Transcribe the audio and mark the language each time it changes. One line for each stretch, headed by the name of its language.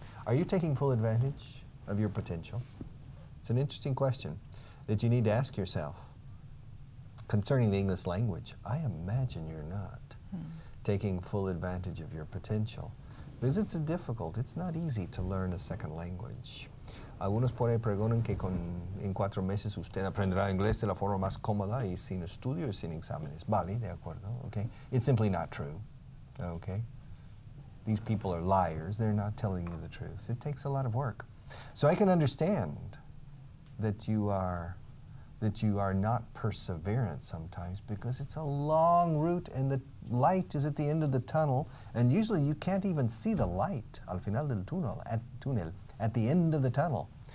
English: Are you taking full advantage of your potential? It's an interesting question that you need to ask yourself. Concerning the English language, I imagine you're not taking full advantage of your potential. Because it's difficult, it's not easy to learn a second language.
Spanish: Algunos por ahí preguntan que en 4 meses usted aprenderá inglés de la forma más cómoda y sin estudios, sin exámenes. Vale, de acuerdo,
English: okay? It's simply not true, okay? These people are liars, they're not telling you the truth. It takes a lot of work. So I can understand that you are not perseverant sometimes because it's a long route and the light is at the end of the tunnel and usually you can't even see the light
Spanish: al final del túnel,
English: at the end of the tunnel.